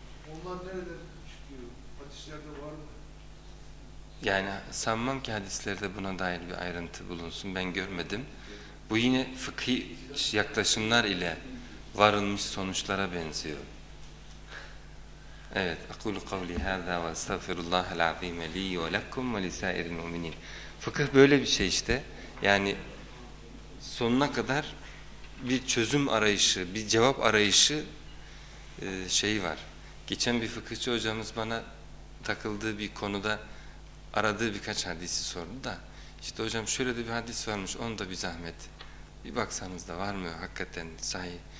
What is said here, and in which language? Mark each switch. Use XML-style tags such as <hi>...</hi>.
<tr>Onlar nereden çıkıyor? Hadislerde var mı? Yani sanmam ki hadislerde buna dair bir ayrıntı bulunsun. Ben görmedim. Bu yine fıkhi yaklaşımlar ile varılmış sonuçlara benziyor. Evet.</tr> <ar>اَقُولُ قَوْلِ هَذَا وَاَسْتَغْفِرُ اللّٰهَ الْعَظ۪يمَ لِي وَلَكُمْ وَلِسَائِرِ الْمُؤْمِنِينَ</ar> <tr>Fıkıh böyle bir şey işte. Yani sonuna kadar bir çözüm arayışı, bir cevap arayışı şeyi var. Geçen bir fıkıhçı hocamız bana takıldığı bir konuda aradığı birkaç hadisi sordu da, işte hocam şöyle de bir hadis varmış, onu da bir zahmet bir baksanız da var mı hakikaten sahi.</tr>